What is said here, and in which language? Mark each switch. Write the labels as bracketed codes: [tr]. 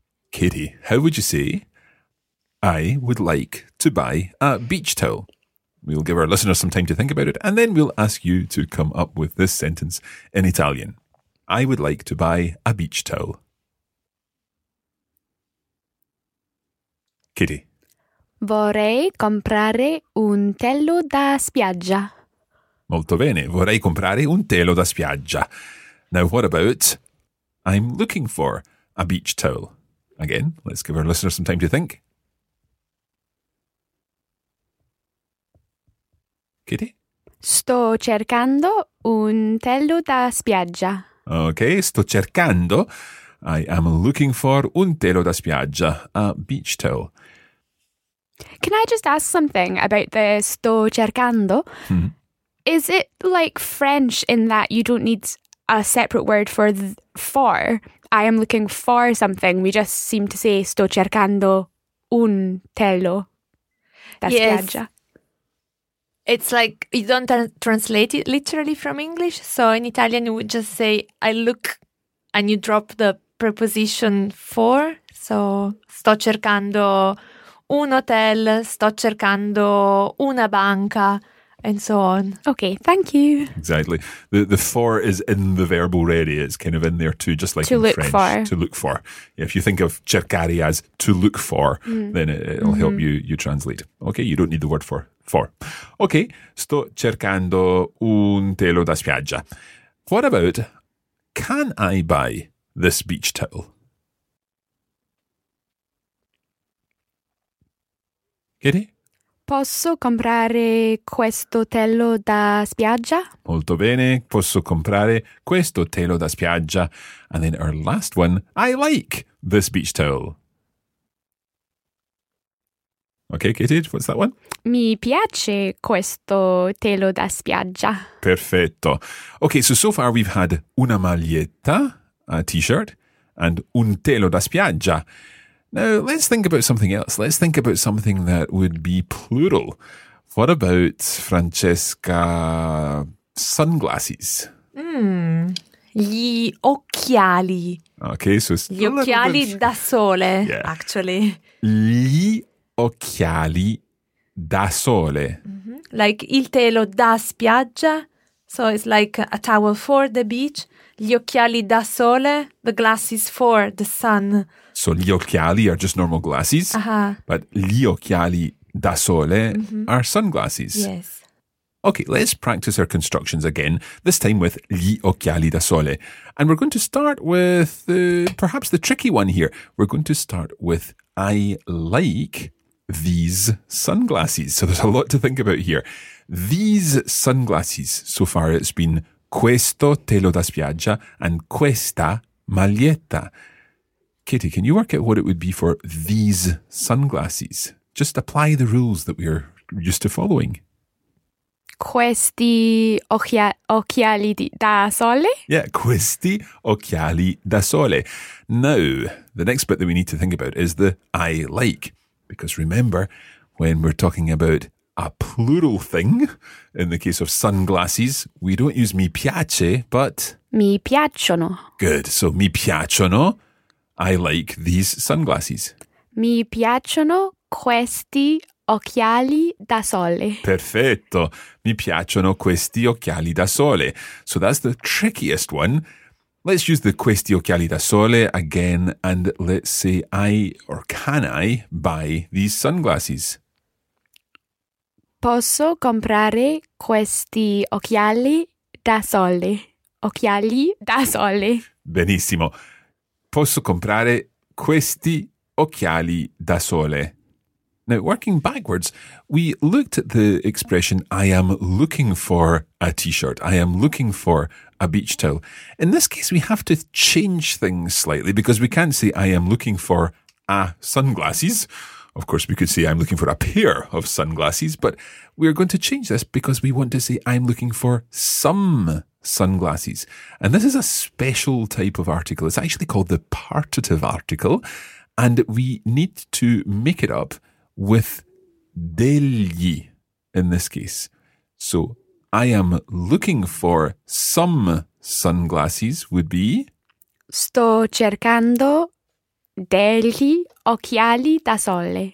[en] Katie, how would you say, I would like to buy a beach towel? We'll give our listeners some time to think about it, and then we'll ask you to come up with this sentence in Italian. I would like to buy a beach towel. Katie. [it] Vorrei comprare un telo da spiaggia. Molto bene, vorrei comprare un telo da spiaggia. [en] Now what about, I'm looking for a beach towel. Again, let's give our listeners some time to think. Kitty? [it] Sto cercando un telo da spiaggia. [en] Ok, [it] sto cercando. [en] I am looking for [it] un telo da spiaggia, [en] a beach towel. Can I just ask something about the [it] sto cercando? Mm-hmm. [en] Is it like French in that you don't need a separate word for for? I am looking for something. We just seem to say [it] sto cercando un telo da spiaggia. [en] Yes. It's like you don't translate it literally from English. So in Italian, you would just say, I look, and you drop the preposition for. [it] So sto cercando un hotel, sto cercando una banca, [en] and so on. Okay, thank you. Exactly. The for is in the verb already. It's kind of in there too, just like to in look French. For. To look for. If you think of cercare as to look for, then it'll help you translate. Okay, you don't need the word for. Four. [it] Okay, sto cercando un telo da spiaggia. [en] What about, can I buy this beach towel? Kitty? [it] Posso comprare questo telo da spiaggia? Molto bene, posso comprare questo telo da spiaggia. [en] And then our last one, I like this beach towel. Okay, Kitty, what's that one? [it] Mi piace questo telo da spiaggia. Perfetto. [en] Okay, so far we've had [it] una maglietta, [en] a t-shirt, and [it] un telo da spiaggia. [en] Now, let's think about something else. Let's think about something that would be plural. What about Francesca sunglasses? [it] Gli occhiali. [en] Okay, so [it] gli occhiali da sole, yeah. [en] Actually. [it] Gli occhiali da sole. Mm-hmm. [en] Like [it] il telo da spiaggia. [en] So it's like a towel for the beach. [it] Gli occhiali da sole. [en] The glasses for the sun. So [it] gli occhiali [en] are just normal glasses. Uh-huh. But [it] gli occhiali da sole [en] are sunglasses. Yes. Okay, let's practice our constructions again. This time with [it] gli occhiali da sole. [en] And we're going to start with perhaps the tricky one here. We're going to start with I like these sunglasses. So there's a lot to think about here. These sunglasses, so far it's been [it] questo telo da spiaggia [en] and [it] questa maglietta. [en] Kitty, can you work out what it would be for these sunglasses? Just apply the rules that we're used to following. [it] Questi occhiali da sole? Yeah, questi occhiali da sole. [en] Now, the next bit that we need to think about is the I like. Because remember, when we're talking about a plural thing, in the case of sunglasses, we don't use [it] mi piace, [en] but... [it] mi piacciono. [en] Good. So [it] mi piacciono, [en] I like these sunglasses. [it] Mi piacciono questi occhiali da sole. Perfetto. Mi piacciono questi occhiali da sole. [en] So that's the trickiest one. Let's use the [it] questi occhiali da sole [en] again and let's say I or can I buy these sunglasses? [it] Posso comprare questi occhiali da sole. Occhiali da sole. Benissimo. Posso comprare questi occhiali da sole. [en] Now, working backwards, we looked at the expression, I am looking for a t-shirt, I am looking for a beach towel. In this case, we have to change things slightly because we can't say, I am looking for a sunglasses. Of course, we could say, I'm looking for a pair of sunglasses, but we're going to change this because we want to say, I'm looking for some sunglasses. And this is a special type of article. It's actually called the partitive article, and we need to make it up with degli in this case. So I am looking for some sunglasses would be... [it] sto cercando degli occhiali da sole.